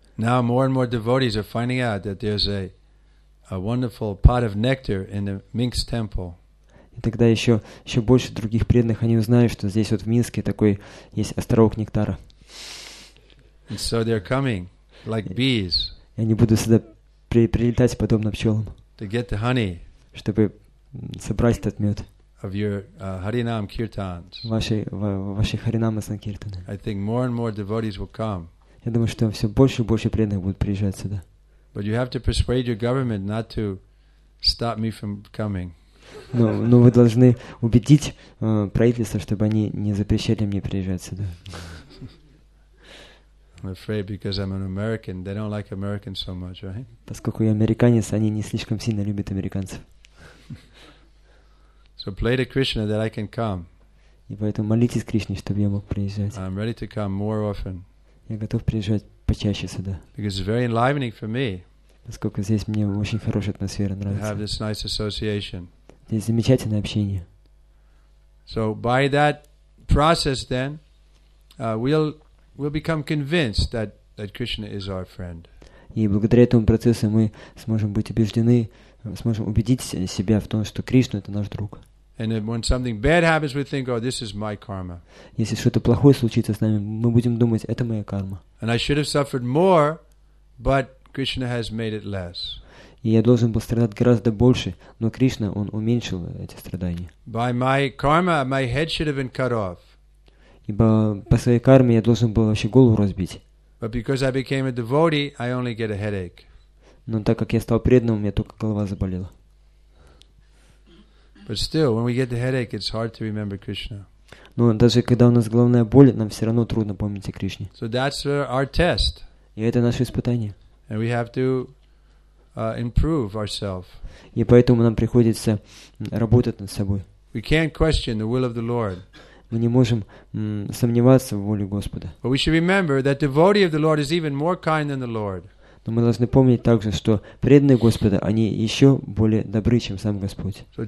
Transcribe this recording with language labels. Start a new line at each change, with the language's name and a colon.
English: Now more and more devotees are finding out that there's a wonderful pot of nectar in the Minsk temple.
Russian: И тогда еще больше других преданных они узнают, что здесь вот в Минске такой есть островок нектара.
English: And so they're coming like bees.
Russian: И они будут сюда прилетать подобно пчелам.
English: To get the honey.
Russian: Чтобы собрать этот мед.
English: Of your Harinam Kirtans.
Russian: Ваши Харинамы Санкиртаны.
English: I think more and more devotees will come.
Russian: Я думаю, что все больше и больше преданных будут приезжать сюда.
English: But you have to persuade your government not to stop me from coming.
Russian: Но вы должны убедить правительство, чтобы они не запрещали мне приезжать сюда.
English: I'm afraid because I'm an American. They don't like Americans so much, right?
Russian: Поскольку я американец, они не слишком сильно любят американцев.
English: So pray to Krishna that I can come.
Russian: И поэтому молитесь Кришне, чтобы я мог приезжать.
English: I'm ready to come more often.
Russian: Я готов приезжать почаще сюда.
English: Because it's very enlivening for me.
Russian: Поскольку здесь мне очень хорошая атмосфера нравится.
English: To have this nice association.
Russian: Здесь замечательное общение.
English: So by that process, then we'll become convinced that Krishna is our friend.
Russian: И благодаря этому процессу мы сможем быть убеждены, сможем убедить себя в том, что Кришна это наш друг.
English: And when something bad happens, we think, "Oh, this is my karma."
Russian: Если что-то плохое случится с нами, мы будем думать, это моя карма.
English: And I should have suffered more, but Krishna has made it less.
Russian: И я должен был страдать гораздо больше, но Кришна он уменьшил эти страдания.
English: By my karma, my head should have been cut off.
Russian: Ибо по своей карме я должен был вообще голову разбить.
English: But because I became a devotee, I only get a headache.
Russian: Но так как я стал преданным, у меня только голова заболела.
English: But still, when we get the headache, it's hard to remember Krishna.
Russian: Но даже когда у нас головная боль, нам все равно трудно помнить о Кришне.
English: So that's our test.
Russian: И это наше испытание.
English: And we have to improve ourselves.
Russian: И поэтому нам приходится работать над собой.
English: We can't question the will of the Lord.
Russian: Мы не можем сомневаться в воле Господа.
English: But we should remember that the devotee of the Lord is even more kind than the Lord.
Russian: Но мы должны помнить также, что преданные Господа, они еще более добры, чем сам Господь.